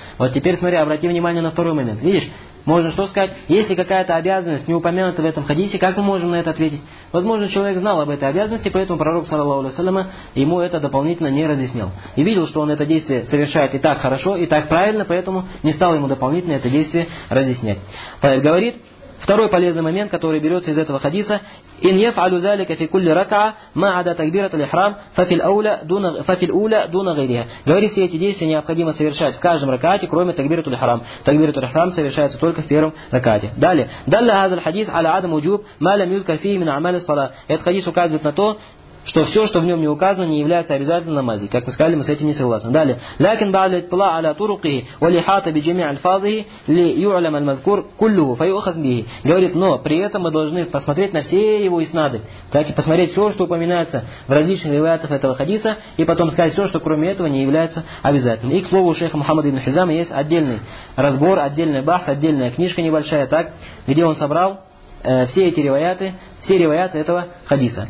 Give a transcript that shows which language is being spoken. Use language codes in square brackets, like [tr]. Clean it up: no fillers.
[ru] Вот теперь смотри, обрати внимание на второй момент. Видишь? Можно что сказать? Если какая-то обязанность не упомянута в этом хадисе, как мы можем на это ответить? Возможно, человек знал об этой обязанности, поэтому пророк, саллаллаху алейхи ва саллям, ему это дополнительно не разъяснил. И видел, что он это действие совершает и так хорошо, и так правильно, поэтому не стал ему дополнительно это действие разъяснять. Он говорит, второй полезный момент, который берется из этого хадиса, [ar] إن يفعل ذلك في كل ركعة ما عدا تكبيرة الإحرام ففي الأولى دون غيرها. [ru] Говорит, все эти действия необходимо совершать в каждом ракате, кроме تكبيرة الإحرام. تكبيرة الإحرام совершается только в первом ракате. Далее. [ar] دل هذا الحديث على عدم وجوب ما لم يذكر فيه من أعمال الصلاة. [ru] Этот хадис указывает на то, что все, что в нем не указано, не является обязательным намазом. Как мы сказали, мы с этим не согласны. Далее. [ar] لكن بعد الاطلاع على طرقه والإحاطة بجميع ألفاظه ليعلم المذكور كله فيؤخذ به. [ru] Говорит, но при этом мы должны посмотреть на все его иснады. Так и посмотреть все, что упоминается в различных риваятах этого хадиса, и потом сказать все, что кроме этого не является обязательным. И к слову, у шейха Мухаммада ибн Хизама есть отдельный разбор, отдельный бахс, отдельная книжка небольшая, так, где он собрал все эти риваяты, все риваяты этого хадиса.